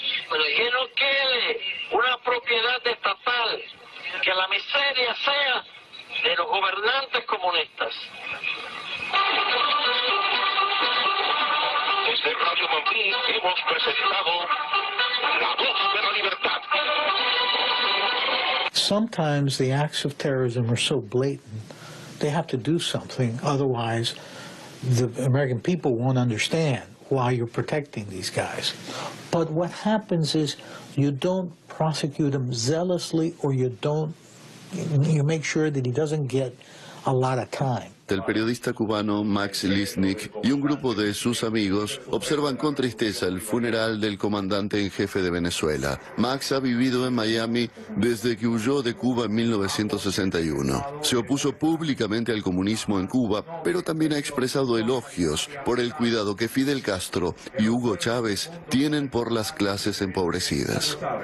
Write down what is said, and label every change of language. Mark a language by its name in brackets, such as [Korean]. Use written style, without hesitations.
[Spanish] Que no quede una propiedad estatal. Que la miseria sea de los gobernantes comunistas. Desde Radio Mambí hemos presentado La Voz de la Libertad. [English] Sometimes the acts of terrorism are so blatant, they have to do something, otherwise the American people won't understand why you're protecting these guys. But what happens is you don't prosecute him zealously, or you don't, you make sure that he doesn't get a lot of time. [Spanish] El periodista cubano Max Lisnik y un grupo de sus amigos observan con tristeza el funeral del comandante en jefe de Venezuela. Max ha vivido en Miami desde que huyó de Cuba en 1961. Se opuso públicamente al comunismo en Cuba, pero también ha expresado elogios por el cuidado que Fidel Castro y Hugo Chávez tienen por las clases empobrecidas.